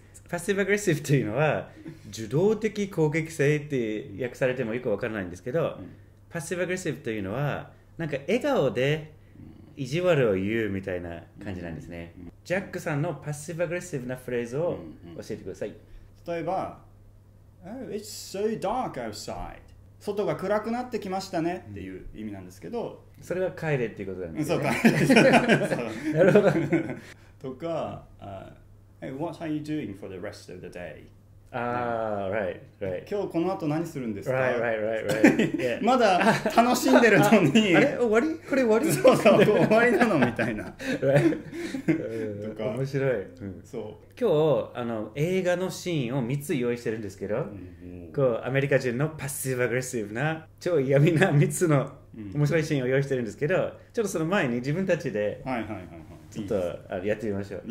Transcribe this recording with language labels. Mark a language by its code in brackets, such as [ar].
[ja] パッシブアグレッシブというのは受動的攻撃性って訳されてもよくわからないんですけど、うん、パッシブアグレッシブというのはなんか笑顔で意地悪を言うみたいな感じなんですね、うんうんうん、ジャックさんのパッシブアグレッシブなフレーズを教えてください。 [en] 例えば、Oh, it's so dark outside. [ja] 外が暗くなってきましたねっていう意味なんですけど、それは帰れっていうことだよね。そうか。なるほど。 [en] とか、Hey, what are you doing for the rest of the day? Right, right. [ja] 今日この後何するんですか？ [en] Right, right, right, right. [ja] まだ楽しんでるのに。あれ終わり？これ終わり？そうそう、終わりなのみたいな。 [en] Right. [ja] とか面白い。うん、そう。今日映画のシーンを3つ用意してるんですけど、こうアメリカ人のパッシブアグレッシブな超嫌味な3つの面白いシーンを用意してるんですけど、ちょっとその前に自分たちでちょっとやってみましょう。